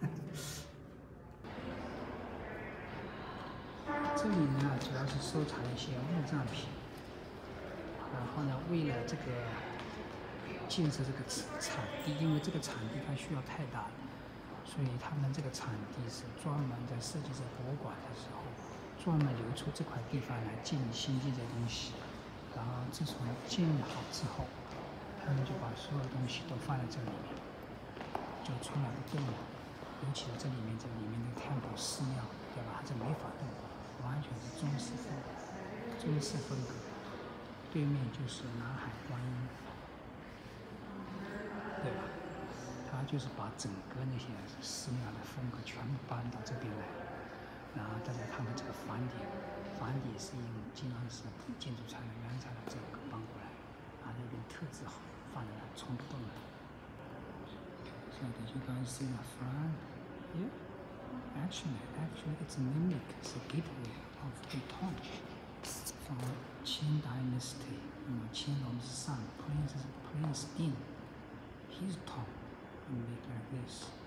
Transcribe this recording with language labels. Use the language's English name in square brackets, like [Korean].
[English] This is the most important thing to collect some wood items. And then, for this building, this land, because this land needs to be too big, so they designed this land specifically for building a museum. [Chinese] 专门留出这块地方来建新建的东西，然后自从建好之后，他们就把所有东西都放在这里面，就出来不动了。尤其是这里面的天宝寺庙，对吧？这没法动，完全是中式风格。对面就是南海观音，对吧？他就是把整个那些寺庙的风格全部搬到这边来。然后大家看看这个房顶，房顶是用经常是建筑材料原材料这个搬过来，啊那边特制好，放在那冲不动的。 [English] So did you guys see the front? Yeah. Actually, it's mimic the gateway of the torch from Qin Dynasty. [Chinese] 那么乾隆之上 [English] ，Prince Din, his tomb made like this.